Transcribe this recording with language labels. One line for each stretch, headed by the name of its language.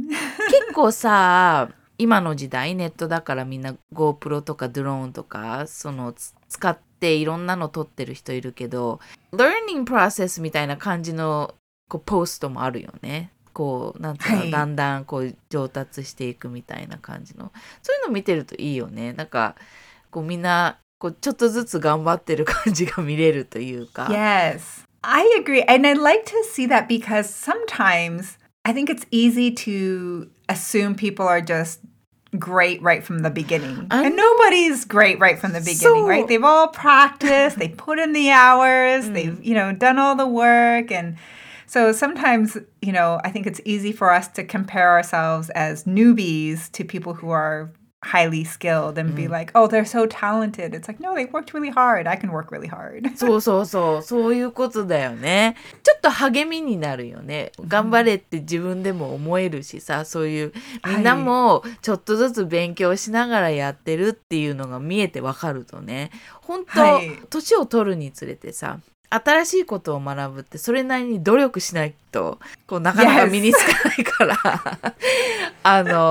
Japanese: 結構さ、今の時代ネットだからみんな GoPro とかドローンとかその使っていろんなの撮ってる人いるけど、
English: learning process
Japanese: みたいな感じのこうポストもあるよね。こうなんていうの、だんだんこう上達していくみたいな感じの、そういうの見てるといいよね。なんかこうみんなこうちょっとずつ頑張ってる感じが見れるというか。
English: Yes, I agree, and I like to see that because sometimes I think it's easy to assume people are just great right from the beginning, and nobody's great right from the beginning, right? They've all practiced, they put in the hours, they've you know done all the work and. So sometimes, you know, I think it's easy for us to compare ourselves as newbies to people who are highly skilled and be like, oh, they're so talented. It's like, no, they worked really hard. I can work really hard.
Japanese: そうそうそう。そういうことだよね。ちょっと励みになるよね。頑張れって自分でも思えるしさ、そういうみんなもちょっとずつ勉強しながらやってるっていうのが見えてわかるとね。本当、年を取るにつれてさ、新しいことを学ぶってそれなりに努力しないとこうなかなか身につかないから、
English: yes.